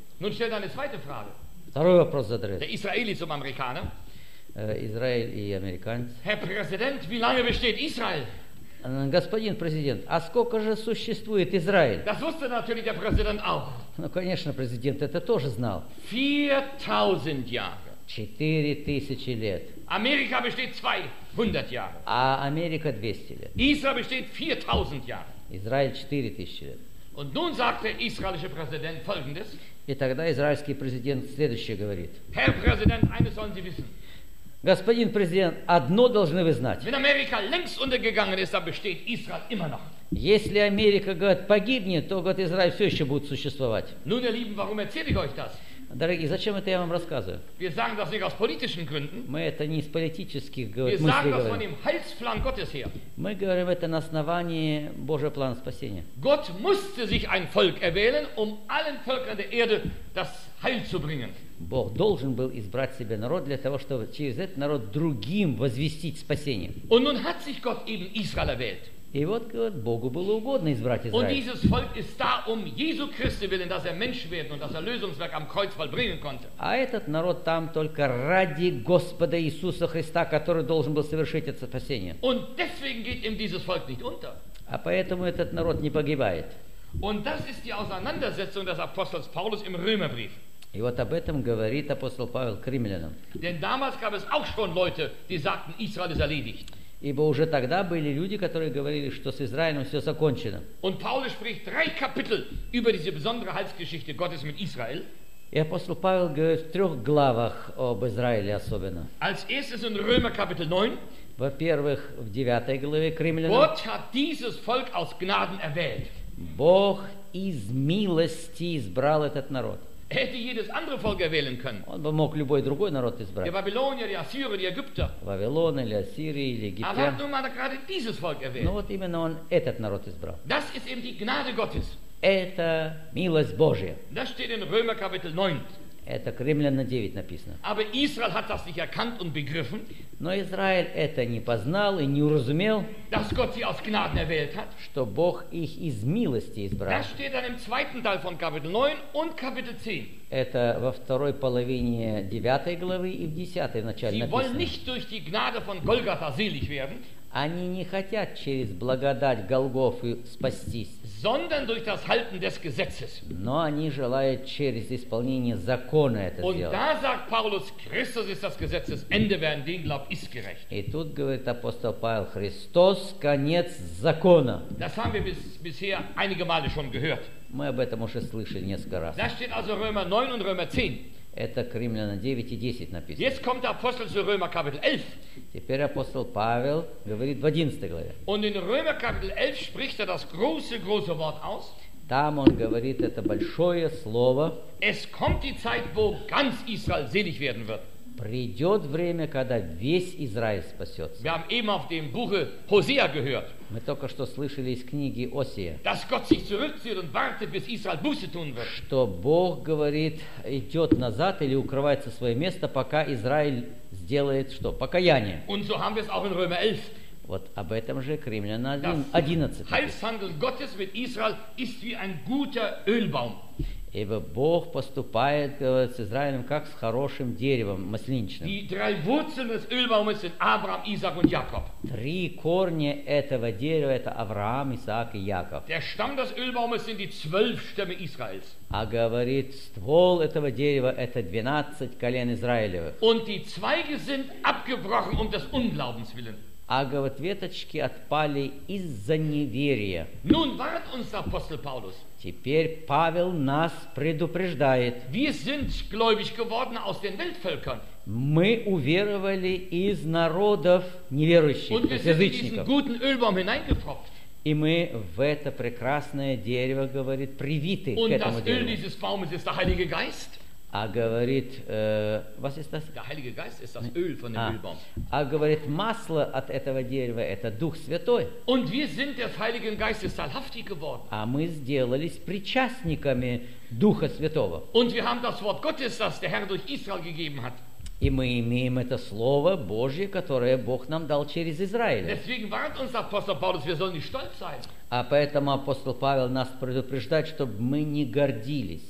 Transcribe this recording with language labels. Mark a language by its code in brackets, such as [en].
[de] Nun stellt eine zweite Frage. [ru] Второй вопрос задает. [de] Der Israeli zum Amerikaner. [ru] Израиль и американец. [de] Herr Präsident, wie lange besteht Israel? [ru] Господин президент, а сколько же существует Израиль? [de] Das wusste natürlich der Präsident auch. [ru] Ну, конечно, президент это тоже знал. [de] 4000 Jahre. [ru] 4000 лет. [de] Америка besteht 200 Jahre. [ru] А Америка 200 лет. [de] Israel besteht 4000 Jahre. [ru] Израиль 4000 лет. [de] Und nun sagt der israelische Präsident folgendes. [ru] И тогда израильский президент следующее говорит. [de] Herr Präsident, eines sollen Sie wissen. [ru] Господин президент, одно должны вы знать. [de] Wenn Amerika längst untergegangen ist, dann besteht Israel immer noch. [ru] Если Америка, говорит, погибнет, то, говорит, Израиль все еще будет существовать. [de] Nun, ihr Lieben, warum erzähle ich euch das? [ru] Дорогие, зачем это я вам рассказываю? [de] Wir sagen das nicht aus politischen Gründen. [ru] Мы это не из политических мыслей говорим. [de] Das von dem Heilsplan Gottes her. [ru] Мы говорим это на основании Божьего плана спасения. [de] Gott musste sich ein Volk erwählen, um allen Völkern der Erde das Heil zu bringen. [ru] Бог должен был избрать себе народ для того, чтобы через этот народ другим возвестить спасение. [de] Und nun hat sich Gott eben Israel erwählt. [ru] И вот, говорит, Богу было угодно избрать Израиль. [de] Und dieses Volk ist da um Jesu Christi willen, dass er Mensch werden und das Erlösungswerk am Kreuz vollbringen konnte. [ru] А этот народ там только ради Господа Иисуса Христа, который должен был совершить это спасение. [de] Und deswegen geht ihm dieses Volk nicht unter. [ru] А поэтому этот народ не погибает. [de] Und das ist die Auseinandersetzung des Apostels Paulus im Römerbrief. [ru] И вот об этом говорит апостол Павел к римлянам. [de] Denn damals gab es auch schon Leute, die sagten, Israel ist erledigt. [ru] Ибо уже тогда были люди, которые говорили, что с Израилем все закончено. [de] Und Paulus spricht drei Kapitel über diese besondere Heilsgeschichte Gottes mit Israel. [ru] И апостол Павел говорит в трех главах об Израиле особенно. [de] Als erstes in Römer Kapitel 9. [ru] Во-первых, в 9 главе к римлянам. [de] Gott hat dieses Volk aus Gnaden erwählt. [ru] Бог из милости избрал этот народ. [de] Er hätte jedes andere Volk erwählen können. [ru] Он бы мог любой другой народ избрать. [de] Die Babylonier, die Assyrer, die Ägypter. [ru] Вавилон или Ассирия или Египтяне. [de] Aber hat nun mal gerade dieses Volk erwählt. [ru] Но вот именно он этот народ избрал. [de] Das ist eben die Gnade Gottes. [ru] Это милость Божья. [de] Das steht in Römer Kapitel 9. [ru] Это к Римлянам 9 написано. [de] Aber Israel hat das nicht erkannt und begriffen. [ru] Но Израиль это не познал и не уразумел. [de] Dass Gott sie aus Gnaden erwählt hat. [ru] Что Бог их из милости избрал. [de] Das steht dann im zweiten Teil von Kapitel 9 und Kapitel 10. [ru] Это во второй половине 9 главы и в 10 начале [de] sie Sie wollen nicht durch die Gnade von Golgatha selig werden. [ru] Они не хотят через благодать Голгофы спастись. [de] Sondern durch das Halten des Gesetzes. [ru] Но они желают через исполнение закона это [de] Und [ru] сделать. [de] Und da sagt Paulus, Christus ist das Gesetzes Ende, wer an den glaubt, ist gerecht. [ru] И тут говорит апостол Павел, Христос конец закона. [de] Das haben wir bisher einige Male schon gehört. [ru] Мы об этом уже слышали несколько раз. [de] Das steht also Römer 9 und Römer 10. [ru] Это к Римлянам 9 и 10 написано. [de] Jetzt kommt der Apostel zu Römer Kapitel 11. [ru] Теперь апостол Павел говорит в 11 главе. [de] Und in Römer Kapitel 11 spricht das große Wort aus. [ru] Там он говорит это большое слово. [de] Es kommt die Zeit, wo ganz Israel selig werden wird. [ru] Придет время, когда весь Израиль спасется. [de] Wir haben eben auf dem Buche Hosea gehört. [ru] Мы только что слышали из книги Осия. [de] Dass Gott sich zurückzieht und wartet, bis Israel Buße tun wird. [ru] Что Бог говорит, идет назад или укрывается свое место, пока Израиль сделает что? Покаяние. [de] Und so haben wir es auch in Römer 11. [ru] Вот об этом же к Римлянам 11. [de] Heilshandeln Gottes mit Israel ist wie ein guter Ölbaum. [ru] Ибо Бог поступает, говорит, с Израилем как с хорошим деревом масличным. [de] Die drei Wurzeln des Ölbaumes sind Abraham, Isaac und Jakob. [ru] Три корня этого дерева это Авраам, Исаак и Яков. [de] Der Stamm des Ölbaumes sind die 12 Stämme Israels. [ru] А говорит, ствол этого дерева это 12 колен Израилевых. [de] Und die Zweige sind abgebrochen um des Unglaubens willen. [ru] А говорит, веточки отпали из-за неверия. [de] Nun warnt uns Apostel Paulus. [ru] Теперь Павел нас предупреждает. [de] Wir sind gläubig geworden aus den Weltvölkern. [ru] Мы уверовали из народов неверующих, [de] Und wir [ru] язычников. [de] Sind in diesen guten Ölbaum hineingepfropft. [ru] И мы в это прекрасное дерево, говорит, привиты [de] Und [ru] к этому [de] das [ru] дереву. [de] Öl dieses Baumes ist der Heilige Geist. [ru] А говорит, [de] was ist das? Der Heilige Geist ist das Öl von dem Ölbaum. [ru] А говорит, масло от этого дерева это Дух Святой. [de] Und wir sind des Heiligen Geistes teilhaftig geworden. [ru] А мы сделались причастниками Духа Святого. [de] Und wir haben das Wort Gottes, das der Herr durch Israel gegeben hat. [ru] И мы имеем это слово Божье, которое Бог нам дал через Израиль. [de] Deswegen warnt uns Apostel Paulus, wir sollen nicht stolz sein. [ru] А поэтому апостол Павел нас предупреждает, чтобы мы не гордились.